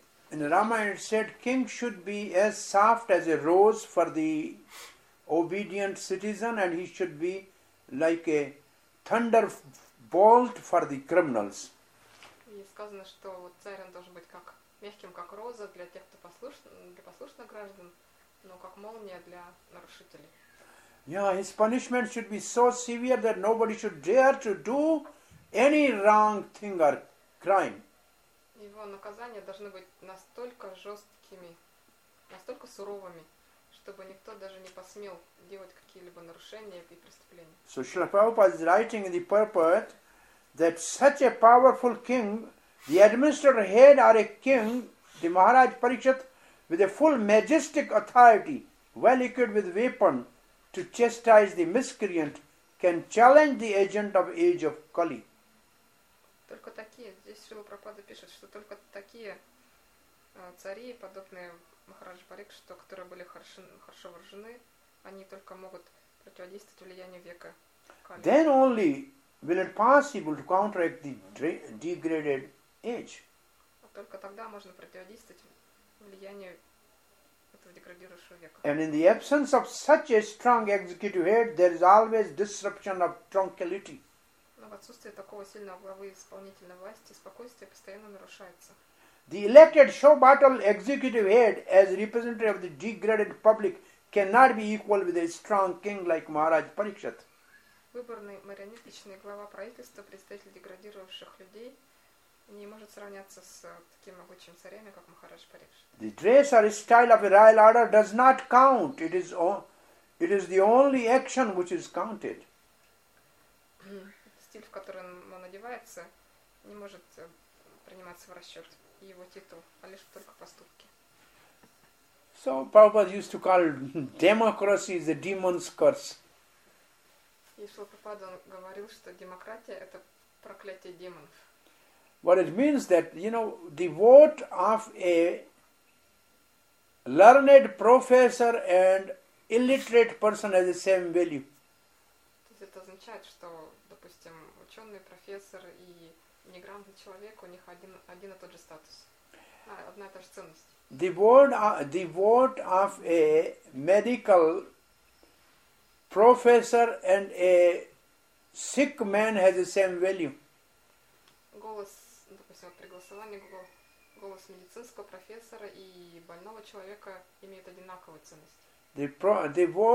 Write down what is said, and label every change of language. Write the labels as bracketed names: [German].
[English] And Ramayana said, king should be as soft as a rose for the obedient citizen, and he should be like a thunderbolt for the criminals. [Russian] И сказано, что царь должен быть как мягким, как роза для тех, кто послушный, для послушных граждан, но как молния для нарушителей. [English] Yeah, his punishment should be so severe that nobody should dare to do any wrong thing or crime. [Russian] Его наказания должны быть настолько жесткими, настолько суровыми, чтобы никто даже не посмел делать какие-либо нарушения и преступления. [English] So Srila Prabhupada is writing in the purport that such a powerful king, the administrator head or a king, the Maharaj Parikshit, with a full majestic authority, well equipped with weapon to chastise the miscreant, can challenge the agent of age of Kali. [Russian] Только такие, здесь Шрила Прабхупада пишет, что только такие цари, подобные Махараджа Парикшита, которые были хорошо вооружены, они только могут противодействовать влиянию века Кали. [English] Then only will it possible to counteract the degraded age. [Russian] Только тогда можно противодействовать влиянию этого деградирующего века. [English] And in the absence of such a strong executive head, there is always disruption of tranquility. [Russian] В отсутствие такого сильного главы исполнительной власти спокойствие постоянно нарушается. [English] The elected show battle executive head as representative of the degraded public cannot be equal with a strong king like Maharaj Parikshit. [Russian] Выборный марионеточный глава правительства, представитель деградировавших людей, не может сравняться с таким могучим царями, как Махарадж Парикшит. [English] The dress or style of a royal order does not count. It is the only action which is counted. [Russian] Стиль, в который он одевается, не может приниматься в расчет и его титул, а лишь только поступки. [English] So Prabhupada used to call democracy is a demon's curse. [Russian] И Шрила Прабхупада говорил, что демократия это проклятие демонов. [English] What it means that, you know, the vote of a learned professor and illiterate person has the same value. [Russian] То есть это означает, что ученый, профессор и неграмотный человек, у них один и тот же статус, одна и та же ценность. [English] The vote of a medical professor and a sick man has the same value. [Russian] Голос, допустим, при голосовании, голос медицинского профессора и больного человека имеет одинаковую ценность.